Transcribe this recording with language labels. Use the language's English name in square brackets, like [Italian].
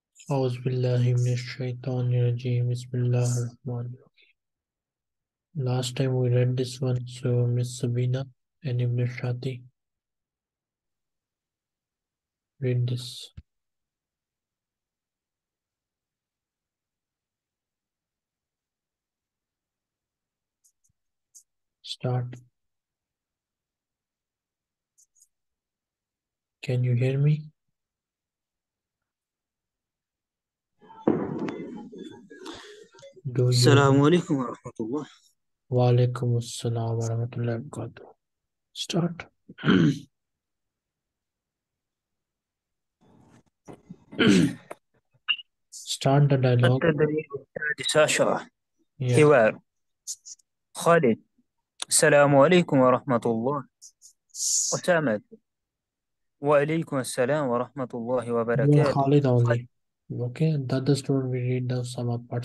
[Arabic] أعوذ بالله من الشيطان الرجيم. بسم الله الرحمن الرحيم. [English] Last time we read this one, so Miss Sabina and Ibn Shati, read this. Start. Can you hear me? Do you? [Arabic] السلام عليكم ورحمة الله. وعليكم السلام ورحمة الله وبركاته. [English] Start. Start the dialogue. [Arabic] السادس عشر [English] Yes. [Arabic] حوار خالد. السلام عليكم ورحمة الله. أسامة. وعليكم السلام ورحمة الله [English] You are [Arabic] وبركاته. [English] Khalid only. Okay, that the story we read the sum up part.